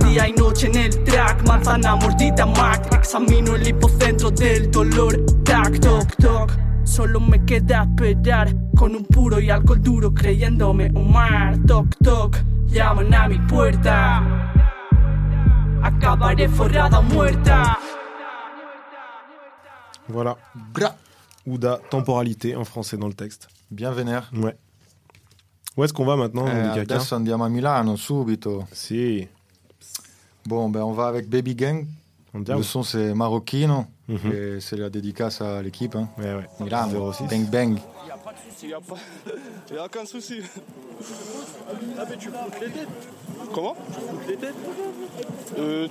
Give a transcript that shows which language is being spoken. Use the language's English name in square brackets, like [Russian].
[Spanish] Día y noche en el track, manzana mordida Mac. Examino el hipocentro del dolor. Tac, toc, toc. Solo me queda esperar con un puro y alcohol duro creyéndome un mar. Toc, toc, llaman a mi puerta. Acabaré forrada o muerta. [French] Voilà. Gra. Ouda, temporalité en français dans le texte. Bien vénère. Ouais. Où est-ce qu'on va maintenant, [Italian] Adesso andiamo a Milano, subito. Si. [French] Bon, ben on va avec Baby Gang. Le son c'est marocchino. Mm-hmm. Et c'est la dédicace à l'équipe. Hein. Ouais, ouais. Milan, 06. Bang bang. Il n'y a pas de soucis, il n'y a aucun souci. Ah, mais tu foutes les têtes. Comment ? Tu foutes les têtes.